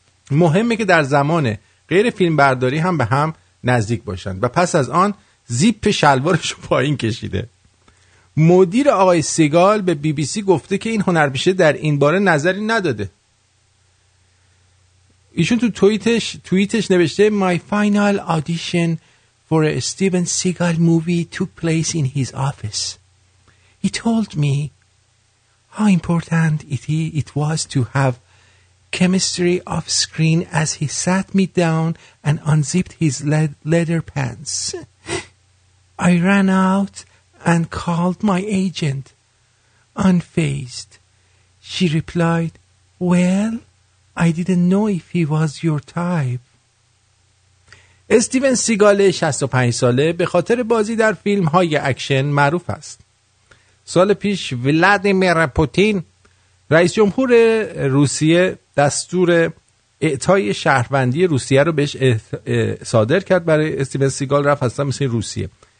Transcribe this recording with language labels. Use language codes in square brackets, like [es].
[fa] مهمه که در زمان غیر فیلم برداری هم به هم نزدیک باشن و پس از آن زیپ شلوارشو پایین کشیده مدیر آقای سیگال به بی بی سی گفته که این هنرپیشه در این باره نظری نداده ایشون تو توییتش نوشته [en] My final audition for a Steven Seagal movie took place in his office. He told me how important it was to have chemistry off screen as he sat me down and unzipped his leather pants. I ran out and called my agent. Unfazed, she replied, "Well, I didn't know if he was your type." [fa] استیون سیگال 65 ساله به خاطر بازی در فیلم های اکشن معروف است. سال پیش ولادیمیر پوتین رئیس جمهور روسیه دستور اعطای شهروندی روسیه رو بهش صادر کرد برای استیون سیگال رفت هستن مثل روسیه.